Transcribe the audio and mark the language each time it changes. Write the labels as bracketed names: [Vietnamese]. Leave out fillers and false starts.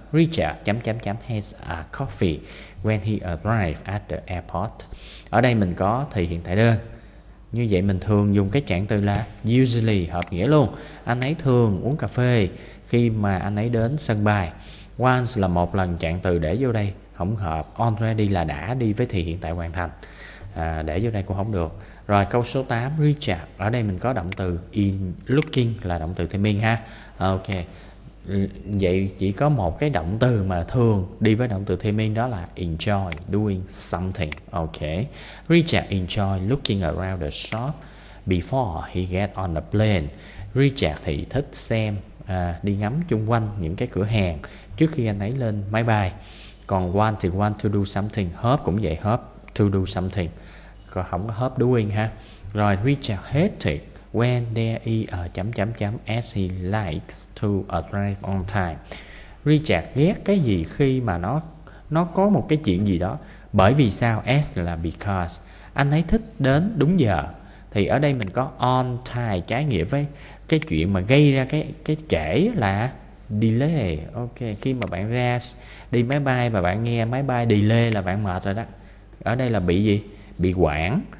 [English] Richard [Vietnamese] chấm chấm chấm [English] has a coffee when he arrived at the airport. [Vietnamese] Ở đây mình có thì hiện tại đơn. Như vậy mình thường dùng cái trạng từ là usually, hợp nghĩa luôn. Anh ấy thường uống cà phê khi mà anh ấy đến sân bay. Once là một lần, trạng từ để vô đây không hợp. Already là đã, đi với thì hiện tại hoàn thành. Để vô đây cũng không được. Rồi câu số 8, Richard. Ở đây mình có động từ in looking là động từ thêm in ha. Ok. Vậy chỉ có một cái động từ mà thường đi với động từ thêm in, đó là enjoy doing something. Ok. [English] Richard enjoy looking around the shop before he get on the plane. [Vietnamese] Richard thì thích xem, đi ngắm chung quanh những cái cửa hàng trước khi anh ấy lên máy bay. [English] Còn want thì want to do something. Hope cũng vậy, hope to do something. [Vietnamese] Còn không có hope doing ha. [English] Rồi Richard hated when there is a [Vietnamese] chấm chấm chấm [English] as he likes to arrive on time. [Vietnamese] Richard ghét cái gì khi mà nó có một cái chuyện gì đó. Bởi vì sao? As là because. Anh ấy thích đến đúng giờ. Thì ở đây mình có on time trái nghĩa với cái chuyện mà gây ra cái trễ là delay. Ok, khi mà bạn ra đi máy bay và bạn nghe máy bay delay là bạn mệt rồi đó. Ở đây là bị gì? Bị quản.